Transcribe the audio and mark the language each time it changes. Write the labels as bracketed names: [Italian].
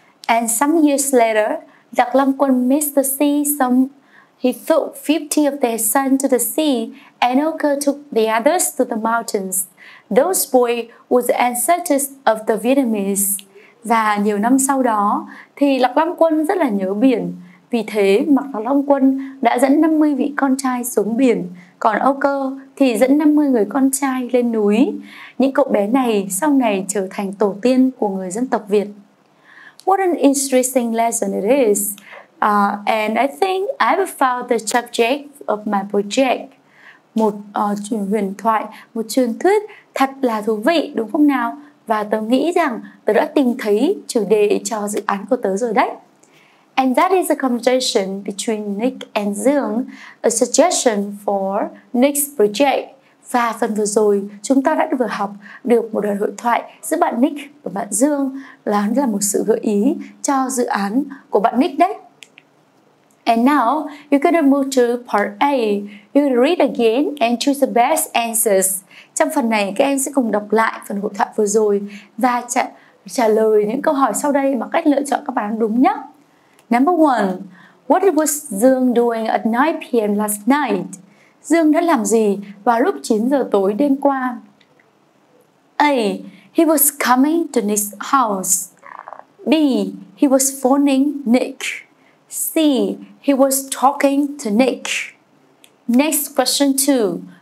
[English] And some years later, Lạc Long Quân meets the sea, so he took 50 of their sons to the sea, and Ogre took the others to the mountains. Those boys were the ancestors of the Vietnamese. [Vietnamese] Và nhiều năm sau đó, thì Lạc Long Quân rất là nhớ biển. Vì thế, Lạc Long Quân đã dẫn 50 vị con trai xuống biển. Còn Ogre thì dẫn 50 người con trai lên núi. Những cậu bé này sau này trở thành tổ tiên của người dân tộc Việt. [English] What an interesting lesson it is. And I think I've found the subject of my project. [Vietnamese] Một huyền thoại, một truyền thuyết thật là thú vị, đúng không nào? Và tớ nghĩ rằng tớ đã tìm thấy chủ đề cho dự án của tớ rồi đấy. [English] And that is a conversation between Nick and Dương, a suggestion for Nick's project. [Vietnamese] Và phần vừa rồi, chúng ta đã vừa học được một đoạn hội thoại giữa bạn Nick và bạn Dương là một sự gợi ý cho dự án của bạn Nick đấy. [English] And now, you're gonna move to part A. You'll read again and choose the best answers. [Vietnamese] Trong phần này, các em sẽ cùng đọc lại phần hội thoại vừa rồi và trả lời những câu hỏi sau đây bằng cách lựa chọn các bạn đúng nhé. [English] Number one, what was Dương doing at 9 p.m. last night? [Vietnamese] Dương đã làm gì vào lúc 9 giờ tối đêm qua? [English] A. He was coming to Nick's house. B. He was phoning Nick. See, he was talking to Nick. Next question 2.